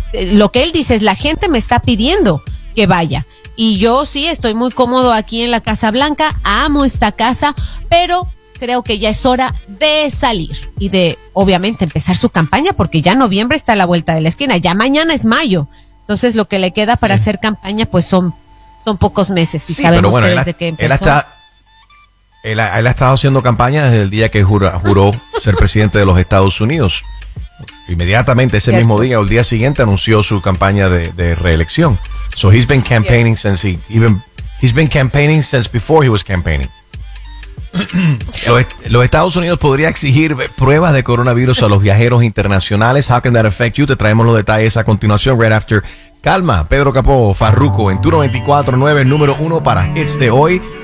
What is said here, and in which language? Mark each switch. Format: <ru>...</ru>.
<es>lo que él dice es, la gente me está pidiendo que vaya, y yo sí estoy muy cómodo aquí en la Casa Blanca, amo esta casa, pero creo que ya es hora de salir y de obviamente empezar su campaña, porque ya noviembre está a la vuelta de la esquina, ya mañana es mayo, entonces lo que le queda para hacer campaña pues son pocos meses, y sí, sabemos bueno, que desde que empezó. Él ha estado haciendo campaña desde el día que juró ser presidente de los Estados Unidos. Inmediatamente, ese mismo día o el día siguiente, anunció su campaña de reelección.</es> <en>So he's been campaigning since before he was campaigning.</en> <es>Los Estados Unidos podría exigir pruebas de coronavirus a los viajeros internacionales.</es> <en>How can that affect you?</en> <es>Te traemos los detalles a continuación,</es> <en>right after</en> <es>Calma, Pedro Capó, Farruko, en tu 94.9, número uno para hits de hoy.</es>